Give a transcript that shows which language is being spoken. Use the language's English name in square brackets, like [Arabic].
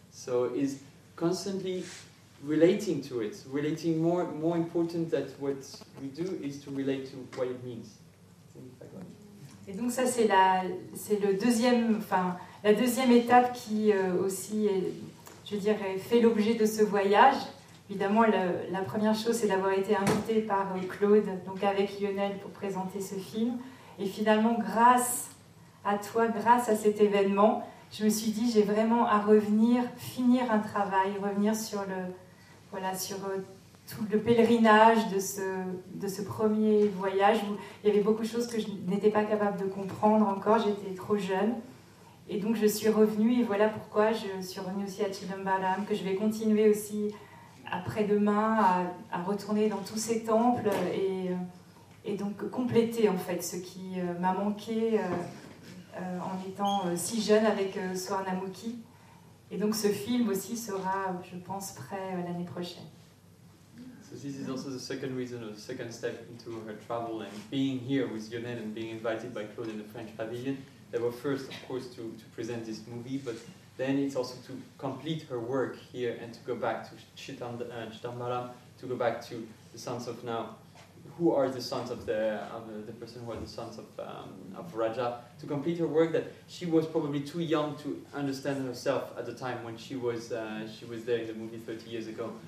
[English] So is constantly relating to it, relating more important that what we do is to relate to what it means. [French] Et donc ça c'est le deuxième, enfin La deuxième étape qui aussi, je dirais, fait l'objet de ce voyage, évidemment, la première chose, c'est d'avoir été invitée par Claude, donc avec Lionel, pour présenter ce film. Et finalement, grâce à toi, grâce à cet événement, je me suis dit, j'ai vraiment à revenir, finir un travail, revenir sur le, voilà, sur tout le pèlerinage de ce premier voyage où il y avait beaucoup de choses que je n'étais pas capable de comprendre encore, j'étais trop jeune. Et donc, je suis revenue et voilà pourquoi je suis revenue aussi à Chilambalam, que je vais continuer aussi après-demain à retourner dans tous ces temples et donc compléter en fait ce qui m'a manqué en étant si jeune avec Soar Namuki. Et donc ce film aussi sera, je pense, prêt l'année prochaine. [English] So this is also the second reason or the second step into her travel and being here with Yonel and being invited by Claude in the French Pavilion. They were first, of course, to present this movie, but then it's also to complete her work here and to go back to Chitambalam, to go back to the sons of now, who are the sons of the person who are the sons of Raja, to complete her work that she was probably too young to understand herself at the time when she was there in the movie 30 years ago.